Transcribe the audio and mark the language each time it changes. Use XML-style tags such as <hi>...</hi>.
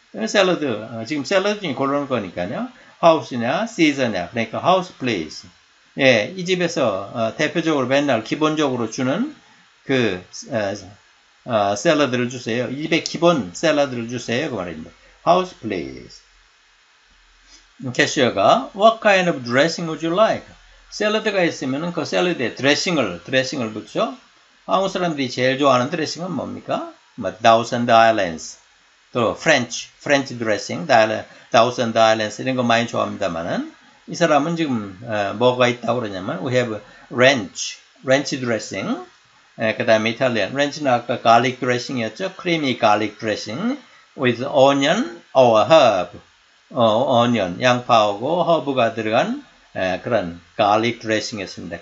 <ko>샐러드, 지금 샐러드 중에 고르는 거니까요. 하우스냐, 시저냐, 그러니까 하우스 플레이스. 예, 이 집에서 대표적으로 맨날 기본적으로 주는 그 샐러드를 주세요. 이 집의 기본 샐러드를 주세요. 그 말입니다. 하우스 플레이스.</ko> <en>캐시어가 What kind of dressing would you like?</en> <ko>샐러드가 있으면 그 샐러드에 드레싱을 붙죠. 한국 사람들이 제일 좋아하는 드레싱은 뭡니까? Thousand Islands. 또 프렌치 드레싱, 다우선드 아일랜드 이런 거 많이 좋아합니다만은 이 사람은 지금 뭐가 있다고 그러냐면</ko> <en>we have ranch</en> <ko>드레싱, 그다음에 이탈리안 ranch는 아까 garlic 드레싱이었죠,</ko> <en>creamy garlic dressing with onion or herb,</en> <ko>onion 양파하고 허브가 들어간 그런 garlic 드레싱이었습니다.</ko>